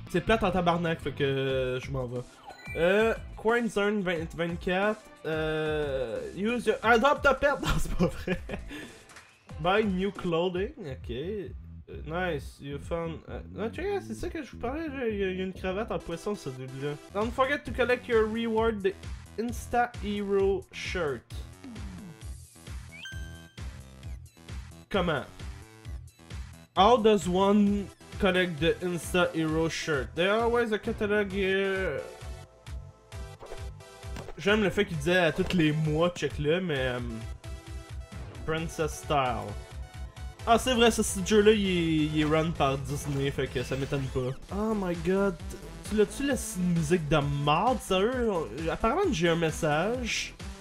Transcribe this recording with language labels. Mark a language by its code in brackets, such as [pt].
[fr] C'est plate en tabarnak, fait que je m'en vais. [en] Coin Zone 24. Use your. Adopt a pet! [fr] Non, c'est pas vrai! [en] Buy new clothing? Ok. Nice, you found... [fr] Ah, tu vois, c'est ça que je vous parlais, il y a une cravate en poisson, ce début-là. [en] Don't forget to collect your reward, the Insta Hero shirt. Comment? How does one collect the Insta Hero shirt? There always a catalog here... [fr] J'aime le fait qu'il disait à tous les mois, check-le, mais... [en] Princess style. [fr] Ah, c'est vrai, ce jeu-là, il est run par Disney, fait que ça m'étonne pas. [en] Oh my god. [fr] Tu l'as-tu laissé une musique de marde, sérieux? Apparemment, j'ai un message.